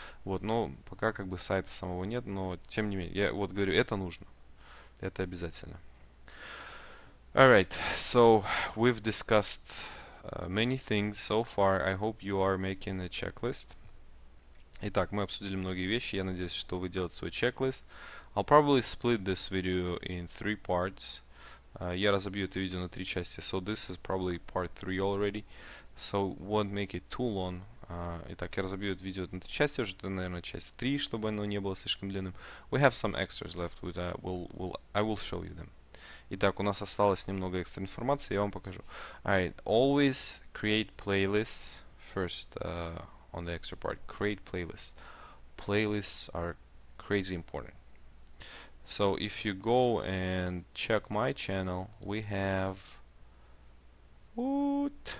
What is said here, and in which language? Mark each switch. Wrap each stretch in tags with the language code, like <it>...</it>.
<ru>Вот, но пока как бы сайта самого нет, но тем не менее, я вот говорю, это нужно, это обязательно.</ru> <en>Alright, so we've discussed many things so far. I hope you are making a checklist.</en> <ru>Итак, мы обсудили многие вещи. Я надеюсь, что вы делаете свой checklist.</ru> <en>I'll probably split this video in three parts.</en> <ru>Я разобью это видео на три части.</ru> <en>So this is probably part three already. So won't make it too long.</en> <ru>Итак, я разобью это видео на три части. Уже это, наверное, часть три, чтобы оно не было слишком длинным.</ru> <en>We have some extras left. I will show you them.</en> <ru>Итак, у нас осталось немного экстра информации, я вам покажу.</ru> <en>Alright, always create playlists first on the extra part. Create playlists. Playlists are crazy important. So if you go and check my channel, we have what?</en>